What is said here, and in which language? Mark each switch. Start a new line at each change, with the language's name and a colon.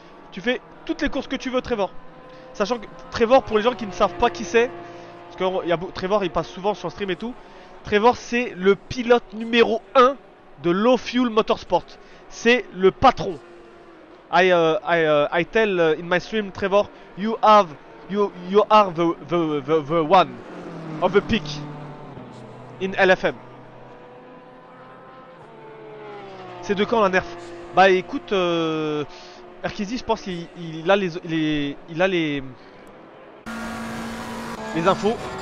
French: Tu fais toutes les courses que tu veux, Trevor. Sachant que Trevor, pour les gens qui ne savent pas qui c'est, parce que Trevor il passe souvent sur stream et tout, Trevor c'est le pilote numéro 1 de Low Fuel Motorsport. C'est le patron.
English: I tell in my stream, Trevor, you are the one of the peak in LFM.
French: C'est de quand la nerf? Bah écoute, Arkizi, je pense qu'il a les infos.